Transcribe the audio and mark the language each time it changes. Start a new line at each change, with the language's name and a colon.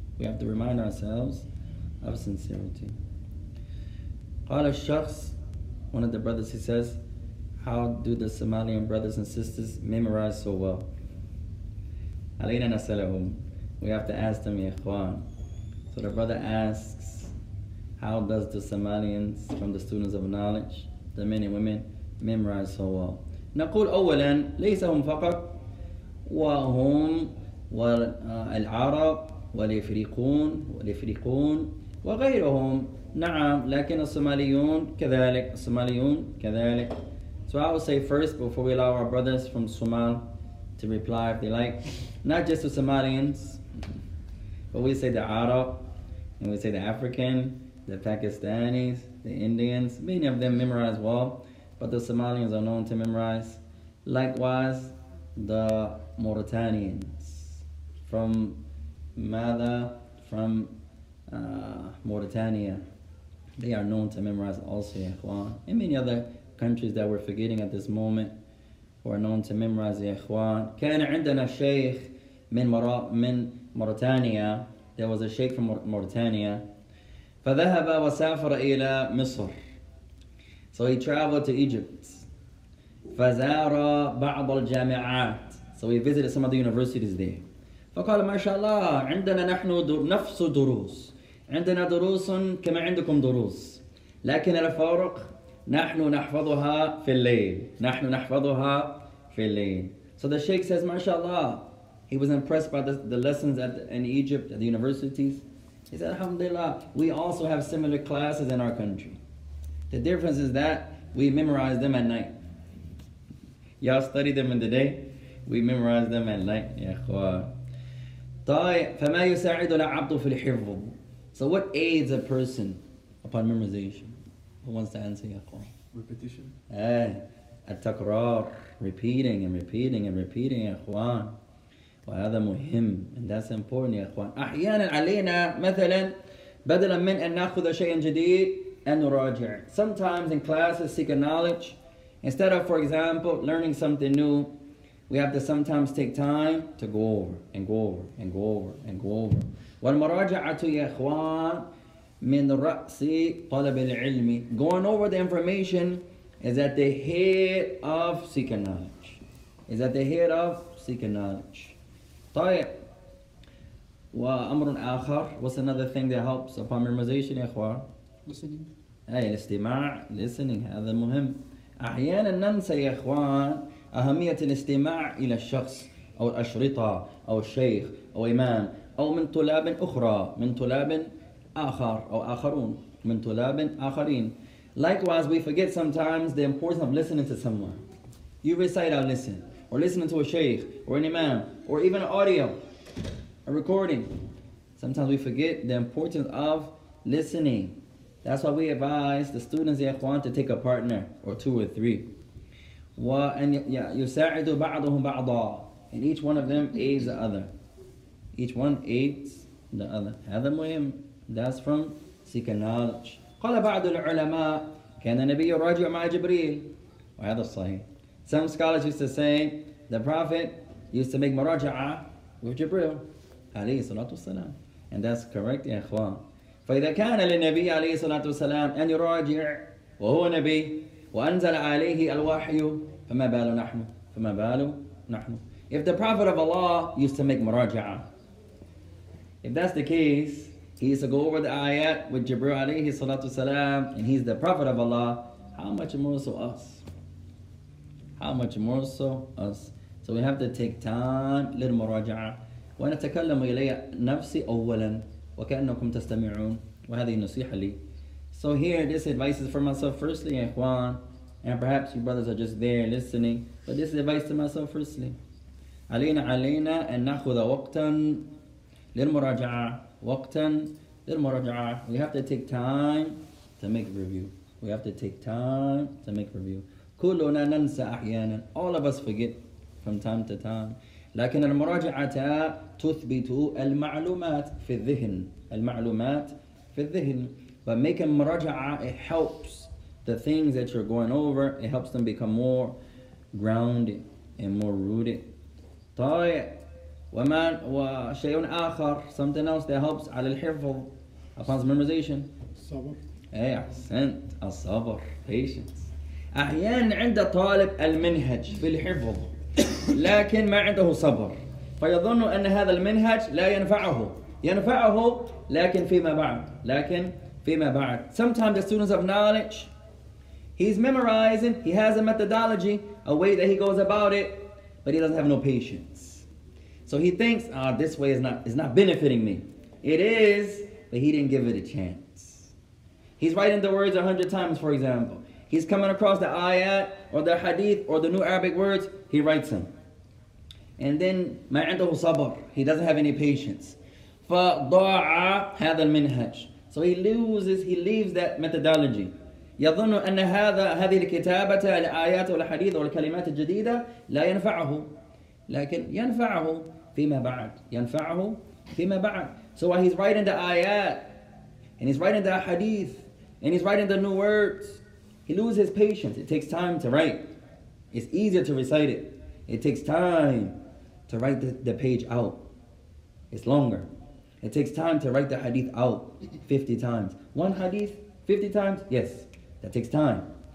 English: We have to remind ourselves of sincerity.
Arabic: قال الشخص,
English: one of the brothers, he says, how do the Somalian brothers and sisters memorize so well?
Arabic: عَلَيْنَا نَسَلَهُمْ.
English: We have to ask them, ikhwan. So the brother asks, how does the Somalians from the students of knowledge, the men and women, memorize so well?
Arabic: نقول أولا ليس هم فقط وهم والعرب والإفريقون والإفريقون وغيرهم. نعم لكن الصوماليون كذلك. الصوماليون كذلك.
English: So I will say first before we allow our brothers from Somal to reply if they like, not just the Somalians, but we say the Arab, and we say the African, the Pakistanis, the Indians, many of them memorize well, but the Somalians are known to memorize. Likewise, the Mauritanians. From Mada, from Mauritania, they are known to memorize also, Ikhwan. And many other countries that we're forgetting at this moment who are known to memorize, Ikhwan.
Arabic: كان عندنا شيخ من Mauritania.
English: There was a sheikh from Mauritania.
Arabic: فذهب وسافر إلى مصر.
English: So he traveled to Egypt.
Arabic: فزار بعض الجامعات.
English: So he visited some of the universities there.
Arabic: فقال ما شاء الله عندنا نحن نفس دروس. عندنا دروس كما عندكم دروس. لكن الفرق نحن نحفظها في الليل. نحن نحفظها في الليل.
English: So the sheikh says,
Arabic: ما شاء الله.
English: He was impressed by the lessons in Egypt, at the universities. He said, Alhamdulillah, we also have similar classes in our country. The difference is that we memorize them at night. Y'all study them in the day, we memorize them at night.
Arabic: طيب, فما يساعد العبد في الحفظ.
English: So what aids a person upon memorization? Who wants to answer, Yaqwa? Repetition. التكرار. Repeating and repeating and repeating, Yaqwa.
Arabic: وهذا مهم.
English: And that's important, يا إخوان.
Arabic: أحيانا علينا مثلا بدلا من أن نأخذ شيئا جديد أن نراجع.
English: Sometimes in classes seeking knowledge, instead of, for example, learning something new, we have to sometimes take time to go over and go over and go over and go over.
Arabic: والمراجعة يا إخوان من رأس طلب العلم.
English: Going over the information is at the head of seeking knowledge. Is at the head of seeking knowledge.
Arabic: طيب وأمر آخر.
English: What's another thing that helps upon memorization, إخوان? Listening.
Arabic: أي الاستماع. Listening. هذا مهم. أحيانا ننسى يا إخوان أهمية الاستماع إلى الشخص أو الأشرطة أو الشيخ أو إمام أو من طلاب أخرى, من طلاب آخر أو آخرون, من طلاب آخرين.
English: Likewise, we forget sometimes the importance of listening to someone. You recite, I'll listen. Or listening to a sheikh, or an imam, or even an audio, a recording. Sometimes we forget the importance of listening. That's why we advise the students, ya ikhwan, to take a partner, or two or three.
Arabic: وَأَنْ يُسَاعِدُ بَعْضُهُمْ بَعْضًا.
English: And each one of them aids the other. Each one aids the other.
Arabic: هَذَا مُهِمْ.
English: That's from seeking knowledge.
Arabic: قال بعض العلماء كان النبي يراجع مع جبريل وهذا الصحيح.
English: Some scholars used to say the prophet used to make مراجعه with Jibril عليه الصلاة والسلام, and that's correct يا إخوان.
Arabic: فإذا كان للنبي عليه الصلاة والسلام أن يراجع وهو نبي وأنزل عليه الوحي فما باله نحن فما باله نحن.
English: If the prophet of Allah used to make مراجعه, if that's the case, he used to go over the ayat with Jibril alayhi salatu salam, and he's the prophet of Allah, how much more so us? How much more so us? So we have to take time للمراجعه.
Arabic: ونتكلم إلي نفسي أولا وكأنكم تستمعون وهذه النصيحة لي.
English: So here, this advice is for myself firstly, إخوان, and perhaps you brothers are just there listening, but this is advice to myself firstly.
Arabic: علينا أن نأخذ وقتا للمراجعة.
English: We have to take time to make review.
Arabic: كلنا ننسى أحيانا.
English: All of us forget from time to time.
Arabic: لكن المراجعة تثبت المعلومات في الذهن.
English: But making مراجعة, it helps the things that you're going over. It helps them become more grounded and more rooted.
Arabic: طيب. وَمَنْ وَشَيْءٌ آخَرٌ
English: something else that helps
Arabic: على الحفظ
English: upon memorization
Arabic: الصبر أي أحسنت الصبر patience. أحيان عند طالب المنهج في الحفظ لكن ما عنده صبر فيظن أن هذا المنهج لا ينفعه ينفعه لكن فيما بعد لكن فيما بعد.
English: Sometimes the students of knowledge, he's memorizing, he has a methodology, a way that he goes about it, but he doesn't have no patience. So he thinks, this way is not benefiting me. It is, but he didn't give it a chance. He's writing the words 100 times, for example. He's coming across the ayat or the hadith or the new Arabic words, he writes them. And then,
Arabic: ما عنده صبر,
English: he doesn't have any patience.
Arabic: فضاع هذا المنهج.
English: So he leaves that methodology.
Arabic: يظن أن هذه الكتابة الآيات والحديث والكلمات الجديدة لا ينفعه. لكن ينفعه فيما بعد ينفعه فيما بعد.
English: So while he's writing the ayat and he's writing the hadith and he's writing the new words, he loses his patience. It takes time to write. It's easier to recite it. It takes time to write the page out. It's longer. It takes time to write the hadith out 50 times. One hadith 50 times? Yes. That takes time.